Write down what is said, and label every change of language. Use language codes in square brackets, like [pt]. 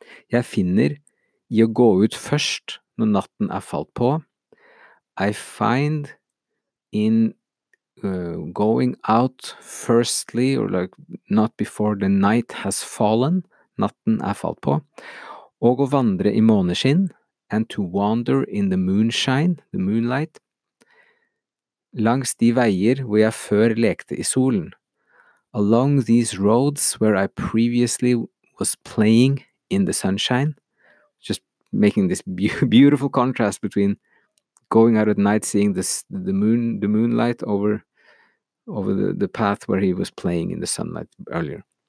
[no] Jeg finner I å gå ut først når natten falt på. [en] I find in going out firstly or like not before the night has fallen, [no] natten falt på. Og å vandre I måneskinn, [en] and to wander in the moonshine, the moonlight, [no] langs de veier hvor jeg før lekte I solen. [en] Along these roads where I previously was playing in the sunshine, just making this beautiful contrast between going out at night, seeing the moonlight over the path where he was playing in the sunlight earlier.